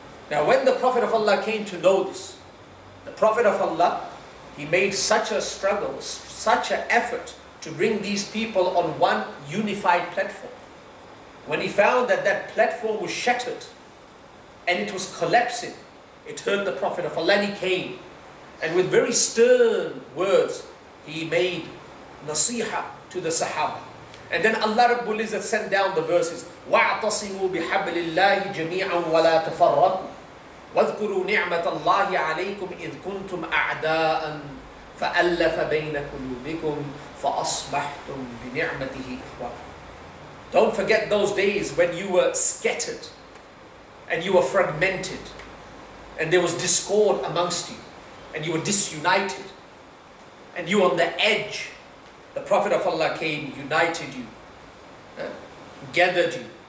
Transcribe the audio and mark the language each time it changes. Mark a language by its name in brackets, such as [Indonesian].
[English] Now when the Prophet of Allah came to know this, the Prophet of Allah, he made such a struggle, such an effort to bring these people on one unified platform. When he found that that platform was shattered and it was collapsing, it hurt the Prophet of Allah, and he came. And with very stern words, he made nasiha to the Sahaba. And then Allah Rabbul Izzat sent down the verses, [Arabic] وَاعْتَصِمُوا بِحَبْلِ اللَّهِ جَمِيعًا وَلَا تَفَرَّقُوا وَاذْكُرُوا نِعْمَةَ اللَّهِ عَلَيْكُمْ إِذْ كُنْتُمْ أَعْدَاءً فَأَلَّفَ بَيْنَ قُلُوبِكُمْ فَأَصْبَحْتُمْ بِنِعْمَتِهِ إِخْوَانًا. [English] Don't forget those days when you were scattered and you were fragmented and there was discord amongst you and you were disunited and you were on the edge. The Prophet of Allah came, united you, gathered you.